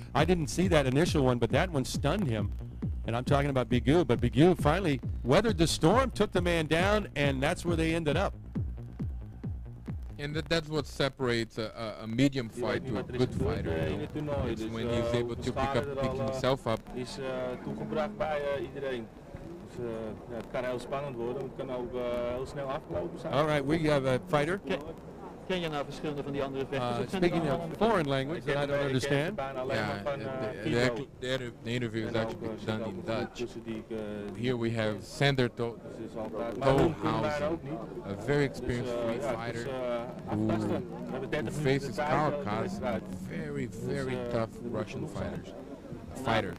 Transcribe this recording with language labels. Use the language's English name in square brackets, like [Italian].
[English] I didn't see that initial one, but that one stunned him. And I'm talking about Bigu, but Bigu finally weathered the storm, took the man down, and that's where they ended up. And that's what separates a medium fight to a good fighter. You know? It's when he's able to pick himself up. [Dutch] Is toegebracht bij iedereen. Het kan heel spannend worden. Het kan ook heel snel aflopen zijn. [English] All right, we have a fighter. [Dutch] Ken je nou verschillende van die andere vechters? [English] Speaking a foreign language that I don't understand. The interview is actually done in Dutch. Here we have Sander Thonhauser, a very experienced free fighter who faces Kavkaz, very, very tough Russian fighters. Fighter.